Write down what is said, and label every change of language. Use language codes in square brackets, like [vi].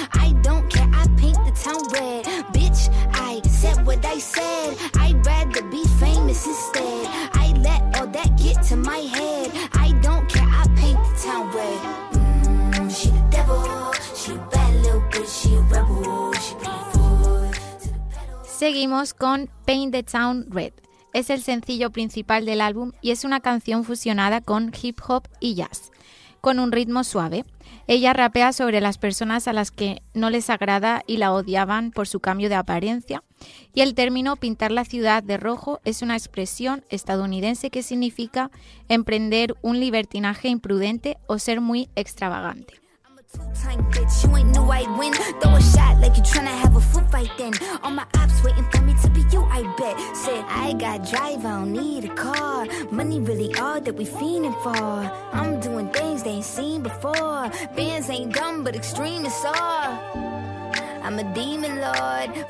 [en] I don't care, I paint the town red. Bitch, I said what I said. I'd rather be famous instead. My head, I don't care, I paint the town red. Mmm, she the devil, she a bad little bitch, she a rebel, she put a foot to the pedal. [es] Seguimos con Paint the Town Red. Es el sencillo principal del álbum y es una canción fusionada con hip hop y jazz, con un ritmo suave. Ella rapea sobre las personas a las que no les agrada y la odiaban por su cambio de apariencia. Y el término pintar la ciudad de rojo es una expresión estadounidense que significa emprender un libertinaje imprudente o ser muy extravagante. [en] Two-time bitch, you ain't new, I win. Throw a shot like you tryna have a foot fight then. All my ops waiting for me to be you, I bet. Said, I got drive, I don't need a car. Money really all that we fiending for. I'm doing things they ain't seen before. Fans ain't dumb, but extreme is all. I'm a demon lord.